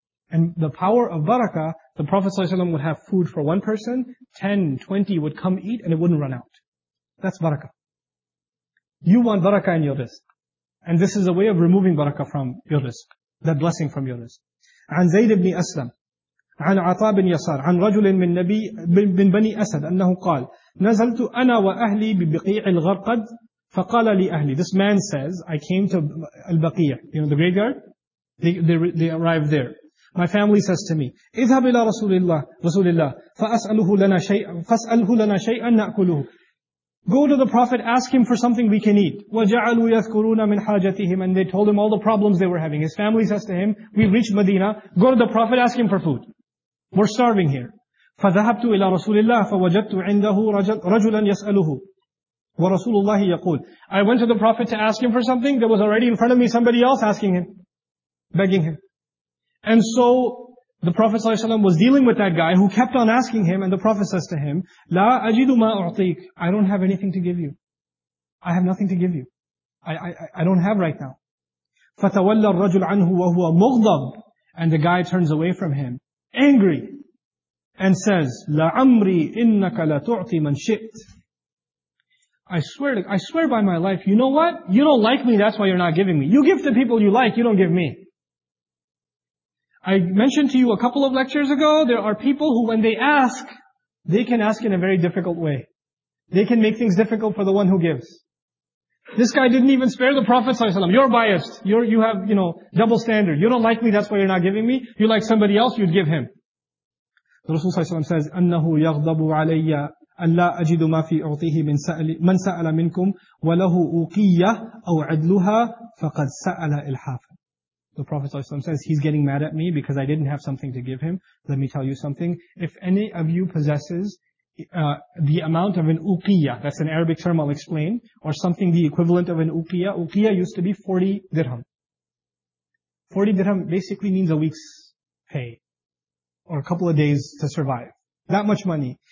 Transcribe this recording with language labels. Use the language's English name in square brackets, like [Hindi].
[English] And the power of barakah, the Prophet ﷺ would have food for one person, 10, 20 would come eat, and it wouldn't run out. That's barakah. You want barakah in your rizq. And this is a way of removing barakah from your rizq, that blessing from your rizq. [Arabic] عن زيد بن أسلم عن عطاء بن يسار عن رجل من نبي من بني أسد أنه قال نزلت أنا وأهلي ببقيع الغرقد فقال لي أهلي. [English] This man says, I came to البقيع, you know, the graveyard. They arrived there. My family says to me, [Arabic] اذهب إلى رسول الله فاسأله لنا شيئا نأكله. [English] Go to the Prophet, ask him for something we can eat. [Arabic] وَجَعَلُوا يَذْكُرُونَ مِنْ حَاجَتِهِمْ. [English] And they told him all the problems they were having. His family says to him, we've reached Medina, go to the Prophet, ask him for food. We're starving here. [Arabic] فَذَهَبْتُ إِلَى رَسُولِ اللَّهِ فَوَجَدْتُ عِنْدَهُ رَجُلًا يَسْأَلُهُ وَرَسُولُ اللَّهِ يَقُولُ. [English] I went to the Prophet to ask him for something, there was already in front of me somebody else asking him, begging him. And so, the Prophet ﷺ was dealing with that guy who kept on asking him, and the Prophet says to him, [Arabic] لا أجد ما أعطيك. [English] I don't have anything to give you. I have nothing to give you. I don't have right now. [Arabic] فتولى الرجل عنه وهو مغضب. [English] And the guy turns away from him, angry, and says, [Arabic] لعمري إنك لتعطي من شئت. [English] I swear by my life, you know what? You don't like me, that's why you're not giving me. You give to people you like, you don't give me. I mentioned to you a couple of lectures ago, there are people who when they ask, they can ask in a very difficult way. They can make things difficult for the one who gives. This guy didn't even spare the Prophet ﷺ. You're biased. You have, you know, double standard. You don't like me, that's why you're not giving me. You like somebody else, you'd give him. The Rasul ﷺ says, [Arabic] أَنَّهُ يَغْضَبُ عَلَيَّ أَلَّا أَجِدُ مَا فِي أُعْطِيهِ مَنْ سَأَلَ مِنْكُمْ وَلَهُ أُوْقِيَّةَ أَوْ عَدْلُهَا فَقَدْ سَأَلَ الْحَافِظَ. [English] The Prophet ﷺ says, he's getting mad at me because I didn't have something to give him. Let me tell you something. If any of you possesses the amount of an uqiyah, that's an Arabic term I'll explain, or something the equivalent of an uqiyah. Uqiyah used to be 40 dirham. 40 dirham basically means a week's pay, or a couple of days to survive. That much money.